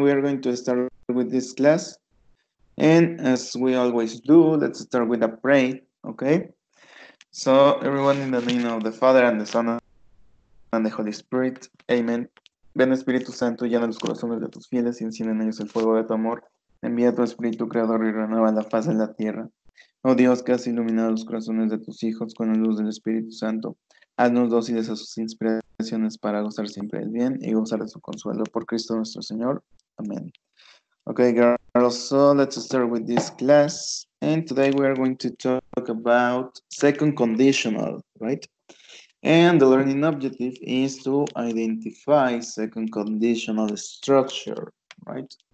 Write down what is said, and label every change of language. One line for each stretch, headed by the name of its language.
English: We are going to start with this class. And as we always do, let's start with a prayer, okay? So everyone, in the name of the Father and the Son and the Holy Spirit, amen.
Spanish: Ven Espíritu Santo, llena los corazones de tus fieles y enciende en ellos el fuego de tu amor. Envía a tu Espíritu Creador y renueva la paz en la tierra. Oh Dios, que has iluminado los corazones de tus hijos con la luz del Espíritu Santo, haznos dóciles a sus inspiraciones para gozar siempre del bien y gozar de su consuelo. Por Cristo nuestro Señor. Amén.
English: Okay, girls, so let's start with this class. And today we are going to talk about second conditional, right? And the learning objective is to identify second conditional structure, right?